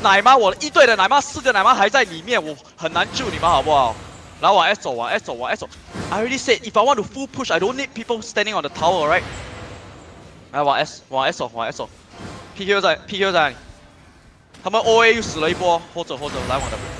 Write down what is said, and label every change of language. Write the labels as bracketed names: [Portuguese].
[Chinese] 奶妈，我一队的奶妈，四个奶妈还在里面，我很难救你们，好不好？来往 S 走，往 S 走。 [English] I already said if I want to full push, I don't need people standing on the tower, right? [Chinese] 来往 S， 往 S 走。PQ 在哪里？他们 OA 又死了一波，或者来往 W。